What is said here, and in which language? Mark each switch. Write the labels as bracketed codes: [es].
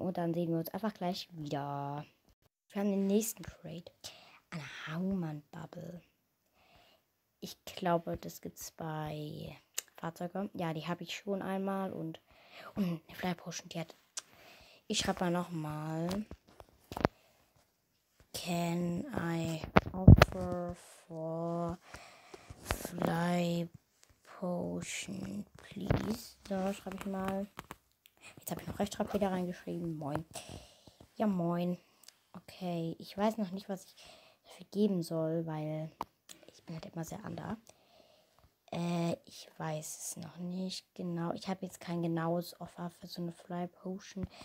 [de] Und dann sehen wir uns einfach gleich wieder. Wir haben den nächsten Trade. Eine Hangman-Bubble. Ich glaube, das gibt's bei Fahrzeugen. Ja, die habe ich schon einmal. Und eine Fly Potion, die hat. Ich schreibe mal nochmal. [en] Can I offer for Fly Potion, please? [de] So, schreibe ich mal. Jetzt habe ich noch Rechtschreibfehler reingeschrieben. Moin. Ja, moin. Okay, ich weiß noch nicht, was ich dafür geben soll, weil ich bin halt immer sehr ander. Ich weiß es noch nicht genau. Ich habe jetzt kein genaues Offer für so eine Fly Potion.